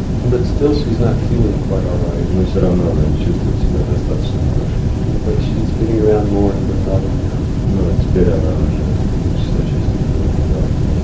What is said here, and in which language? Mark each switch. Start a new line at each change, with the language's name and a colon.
English: but still she's not feeling quite all right.
Russian: Но все равно она чувствует себя достаточно хорошо.
English: But she's getting around more in the thought of it.
Russian: Но теперь она уже себя чувствует хорошо.